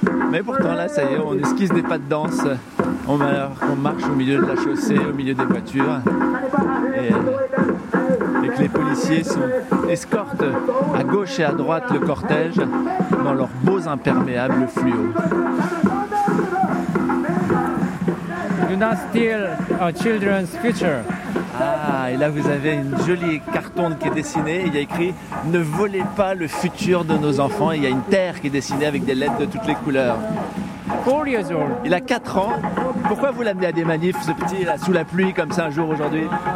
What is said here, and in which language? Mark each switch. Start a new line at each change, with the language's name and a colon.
French: Mais pourtant là, ça y est, on esquisse des pas de danse. On marche au milieu de la chaussée, au milieu des voitures, et que les policiers escortent à gauche et à droite le cortège dans leurs beaux imperméables fluo.
English: Do not steal our children's future.
French: Ah, et là vous avez une jolie carton qui est dessinée. Il y a écrit « Ne volez pas le futur de nos enfants ». Il y a une terre qui est dessinée avec des lettres de toutes les couleurs.
English: 4 years old.
French: Il a 4 ans. Pourquoi vous l'amenez à des manifs, ce petit, là, sous la pluie, comme ça, un jour, aujourd'hui?